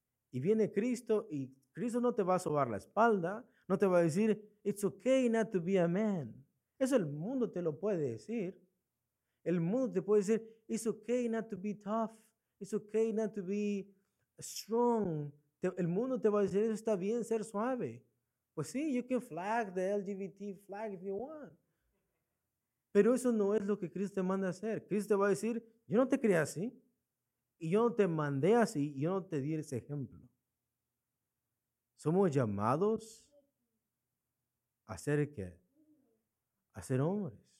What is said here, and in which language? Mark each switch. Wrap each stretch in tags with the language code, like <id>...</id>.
<es>Y viene Cristo y Cristo no te va a sobar la espalda, no te va a decir,</es> <en>it's okay not to be a man.</en> <es>Eso el mundo te lo puede decir. El mundo te puede decir,</es> <en>it's okay not to be tough. It's okay not to be strong.</en> <es>El mundo te va a decir, eso está bien ser suave. Pues sí,</es> <en>you can flag the LGBT flag if you want.</en> <es>Pero eso no es lo que Cristo te manda hacer. Cristo te va a decir, yo no te creé así. Y yo no te mandé así. Y yo no te di ese ejemplo. Somos llamados a ser ¿qué? A ser hombres.</es>